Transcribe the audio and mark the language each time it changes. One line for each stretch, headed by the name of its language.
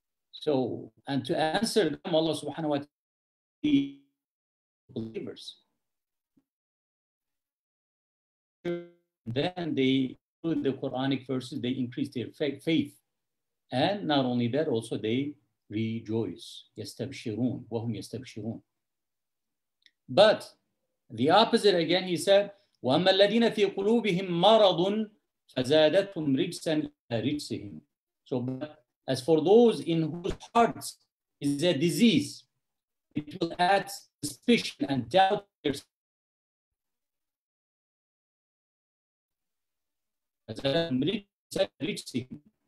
English: So, and to answer them, Allah subhanahu wa ta'ala, the believers, then they include the Quranic verses, they increase their faith. And not only that, also they rejoice.
Arabic: يستبشرون, وهم يستبشرون.
English: But the opposite again, he said,
Arabic: وَأَمَّا الَّذِينَ فِي قُلُوبِهِمْ مَرَضٌ فَزَادَتْهُمْ رِجْسًا رِجْسِهِمْ.
English: So, but as for those in whose hearts is a disease, it will add suspicion and doubt to their reaching.